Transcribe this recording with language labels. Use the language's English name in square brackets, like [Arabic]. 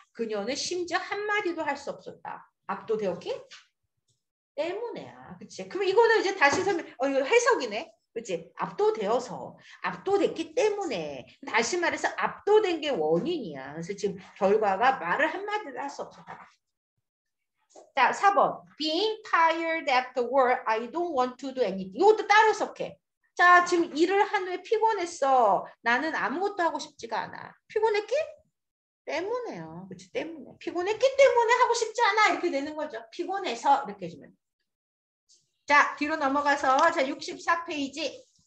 [Korean] 그녀는 심지어 한마디도 할 수 없었다. 압도되었기 때문에야. 그치? 그럼 이거는 이제 다시 설명, 이거 해석이네. 그치? 압도되어서. 압도됐기 때문에. 다시 말해서 압도된 게 원인이야. 그래서 지금 결과가 말을 한마디도 할 수 없었다. 자, 4번. [English] Being tired after work, I don't want to do anything. [Korean] 이것도 따로 해석해. 자, 지금 일을 한 후에 피곤했어. 나는 아무것도 하고 싶지가 않아. 피곤했기 때문에요. 그렇지, 때문에. 피곤했기 때문에 하고 싶지 않아. 이렇게 되는 거죠. 피곤해서 이렇게 해주면. 자, 뒤로 넘어가서 자 64페이지.